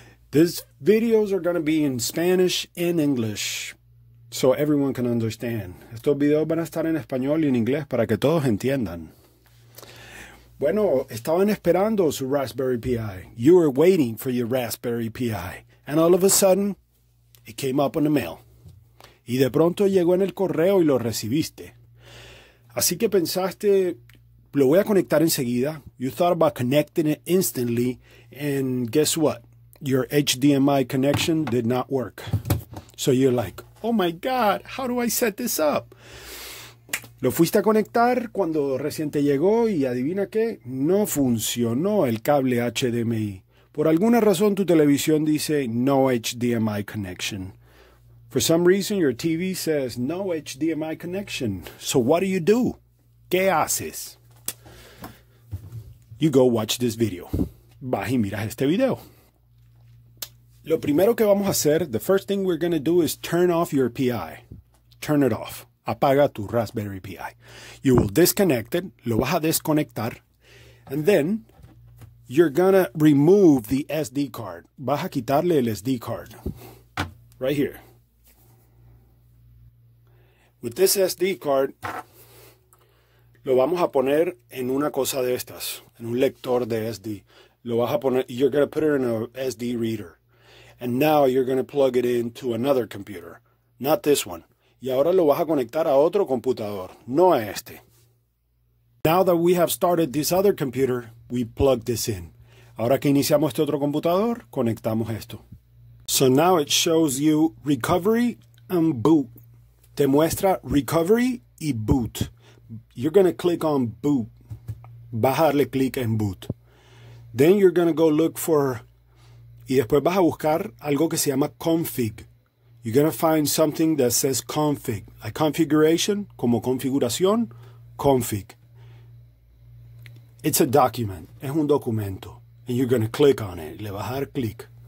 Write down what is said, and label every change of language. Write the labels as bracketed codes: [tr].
[en] These videos are going to be in Spanish and English, so everyone can understand. [es] Estos videos van a estar en español y en inglés para que todos entiendan. Bueno, estaban esperando su Raspberry Pi. [en] You were waiting for your Raspberry Pi. And all of a sudden, it came up in the mail. [es] Y de pronto llegó en el correo y lo recibiste. Así que pensaste, lo voy a conectar enseguida. [en] You thought about connecting it instantly. And guess what? Your HDMI connection did not work. So you're like, oh my God, how do I set this up? [es] Lo fuiste a conectar cuando recién te llegó y adivina qué, no funcionó el cable HDMI. Por alguna razón tu televisión dice [en] no HDMI connection. For some reason your TV says no HDMI connection. So what do you do? [es] ¿Qué haces? [en] You go watch this video. [es] Vas y miras este video. Lo primero que vamos a hacer, [en] the first thing we're going to do is turn off your Pi. Turn it off. [es] Apaga tu Raspberry Pi. [en] You will disconnect it. [es] Lo vas a desconectar. [en] And then you're going to remove the SD card. [es] Vas a quitarle el SD card. [en] Right here. With this SD card, [es] lo vamos a poner en una cosa de estas, en un lector de SD. Lo vas a poner, [en] you're going to put it in an SD reader. And now you're going to plug it into another computer. Not this one. [es] Y ahora lo vas a conectar a otro computador, no a este. [en] Now that we have started this other computer, we plug this in. [es] Ahora que iniciamos este otro computador, conectamos esto. [en] So now it shows you recovery and boot. [es] Te muestra recovery y boot. [en] You're going to click on boot. [es] Vas a darle clic en boot. [en] Then you're going to go look for... [es] Y después vas a buscar algo que se llama config. [en] You're going to find something that says config. Like configuration, [es] como configuración, [en] config. It's a document. [es] Es un documento. [en] And you're going to click on it. [es] Le vas a dar clic.